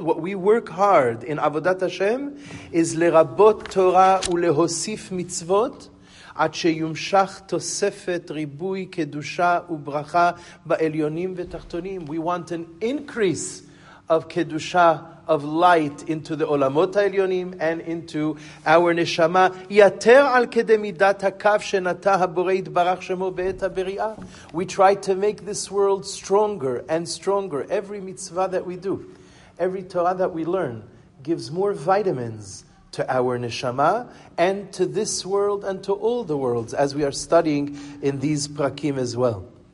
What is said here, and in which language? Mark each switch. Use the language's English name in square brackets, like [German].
[English] What we work hard in avodat Hashem is [Hebrew] lerabot Torah ulehosif mitzvot, עד שיומשך תוספת ריבוי קדושה וברכה בעליונים ותחתונים. [English] We want an increase of kedusha, of light into the olamot העליונים and into our neshama. [Hebrew] יתר על כדי מידת הקו שנטע הבורא יתברך שמו בעת הבריאה. [English] We try to make this world stronger and stronger. Every mitzvah that we do, every Torah that we learn gives more vitamins to our neshama, and to this world, and to all the worlds, as we are studying in these prakim as well.